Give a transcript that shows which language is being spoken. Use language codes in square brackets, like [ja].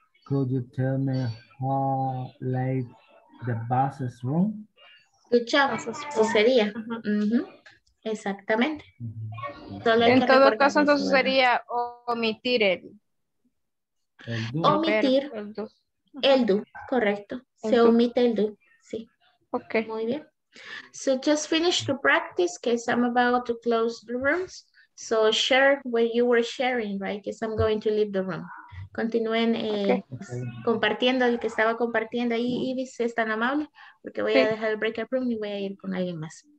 [en] Could you tell me how late the buses run? Good job. [es] Eso sería. Uh-huh. Exactamente. Uh-huh. En todo caso, entonces sería omitir el. Omitir el do. Correcto. Se omite el do. Sí. [en] Okay. [es] Muy bien. [en] So just finish the practice because I'm about to close the rooms. So share what you were sharing, right? Because I'm going to leave the room. [es] Continúen compartiendo el que estaba compartiendo ahí, Ibis, es tan amable, porque voy a dejar el breakout room y voy a ir con alguien más.